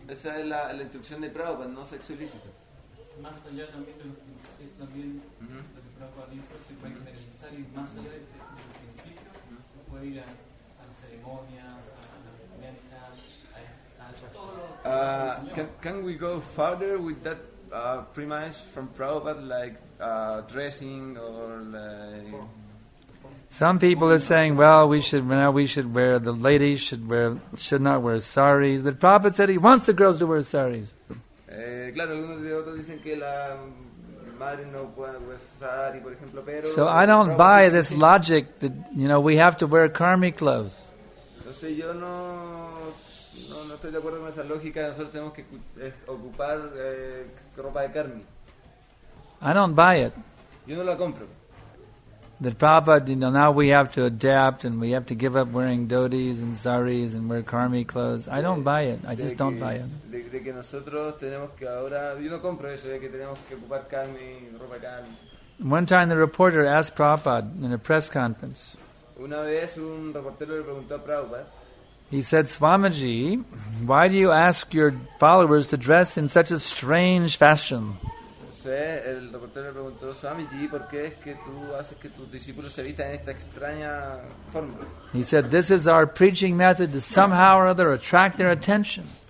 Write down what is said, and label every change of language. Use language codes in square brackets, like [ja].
[es] Esa es la instrucción de Prabhupada, no sexo ilícito. Más allá también de los principios, también de que Prabhupada dijo, se puede generalizar y más allá de los principios, se puede ir a las ceremonias, a la vestimenta, a todo lo que [en] Can we go further with that premise from Prabhupada, like dressing or like... Some people are saying, well, the ladies should not wear saris. But Prabhupada said he wants the girls to wear saris. [es] Claro, algunos de otros dicen que la madre no puede [en] wear sari, [es] por ejemplo, pero... [en] So I don't buy this logic that, you know, we have to wear karmi clothes. [es] Entonces yo no estoy de acuerdo con esa lógica, nosotros tenemos que ocupar ropa de karmi. [en] I don't buy it. [es] Yo no la compro. [en] That Prabhupada, you know, now we have to adapt and we have to give up wearing dhotis and saris and wear karmi clothes. I don't buy it. I just don't buy it. [es] De que nosotros tenemos que ahora... Yo no compro eso, de que tenemos que ocupar karmi, ropa karmi. [en] One time the reporter asked Prabhupada in a press conference. [es] Una vez un reportero le preguntó a Prabhupada. [en] He said, Swamiji, why do you ask your followers to dress in such a strange fashion? [es] El reportero le preguntó, Swamiji, ¿por qué es que tú haces que tus discípulos se vistan en esta extraña forma? [en] He said, this is our preaching method to somehow or other attract their attention.